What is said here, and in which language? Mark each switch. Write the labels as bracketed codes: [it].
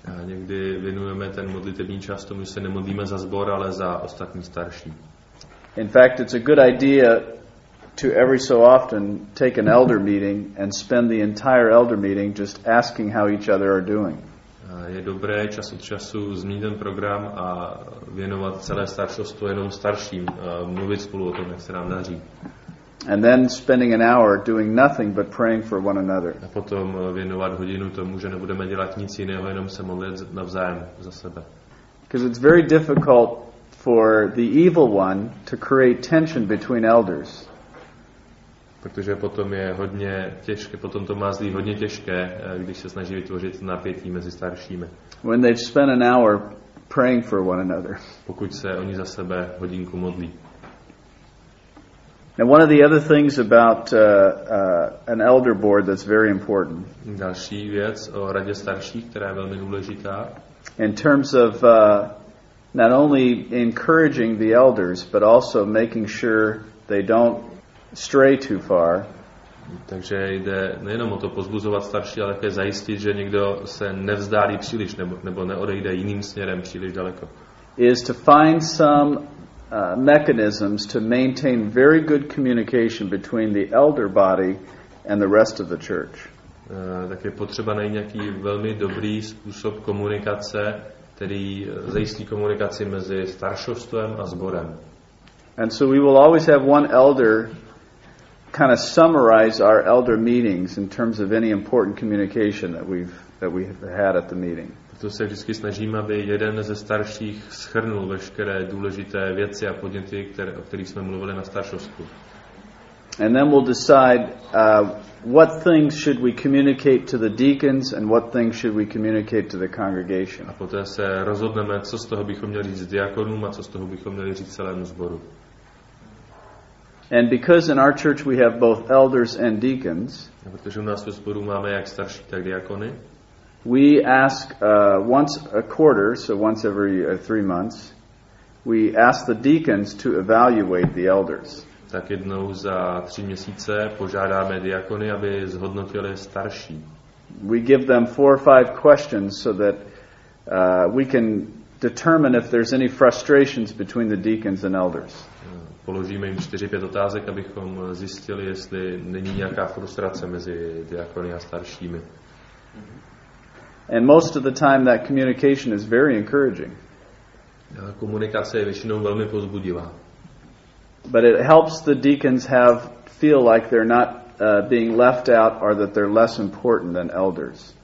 [cs] A někdy věnujeme ten modlitební čas tomu, že se nemodlíme za sbor, ale za ostatní starší. [en] In fact, it's a good idea to every so often take an elder meeting and spend the entire elder meeting just asking how each other are doing. [cs] Je dobré čas od času změnit ten program a věnovat celé staršostvo jenom starším, mluvit spolu o tom, jak se nám daří. [en] And then spending an hour doing nothing but praying for one another. [cs] A potom věnovat hodinu tomu, že nebudeme dělat nic jiného, jenom se modlit navzájem za sebe. [en] Because it's very difficult for the evil one to create tension between elders. [cs] Protože potom je hodně těžké, potom to má zlý hodně těžké, když se snaží vytvořit napětí mezi staršími. [en] When they've spent an hour praying for one another. [cs] Pokud se oni za sebe hodinku modlí. [en] And one of the other things about an elder board that's very important. [cs] Další věc o radě starších, která je velmi důležitá. [en] In terms of not only encouraging the elders, but also making sure they don't stray too far. [cs] Takže jde nejenom o to pozbuzovat starší, ale také zajistit, že někdo se nevzdálí příliš nebo neodejde jiným směrem příliš daleko. [en] Is to find some mechanisms to maintain very good communication between the elder body and the rest of the church. [cs] Tak je potřeba najít nějaký velmi dobrý způsob komunikace, který zajistí komunikaci mezi staršovstvem a sborem. [en] And so we will always have one elder kind of summarize our elder meetings in terms of any important communication that we've had at the meeting. [cs] To se vždycky snažíme, aby jeden ze starších shrnul veškeré důležité věci a podněty, o kterých jsme mluvili na staršovstvu. [en] And then we'll decide what things should we communicate to the deacons and what things should we communicate to the congregation. [cs] A poté se rozhodneme, co z toho bychom měli říct diakonům a co z toho bychom měli říct celému sboru. [en] And because in our church we have both elders and deacons. [cs] A protože u nás ve sboru máme jak starší, tak diakony. [en] We ask once a quarter, so once every 3 months, we ask the deacons to evaluate the elders. [cs] Tak jednou za 3 měsíce požádáme diakony, aby zhodnotili starší. [en] We give them 4 or 5 questions so that we can determine if there's any frustrations between the deacons and elders. [cs] Položíme jim 4-5 otázek, abychom zjistili, jestli není nějaká frustrace mezi diakony a staršími. [en] And most of the time that communication is very encouraging. [cs] Komunikace je většinou velmi povzbudivá. [en] But it helps the deacons have feel like they're not being left out or that they're less important than elders.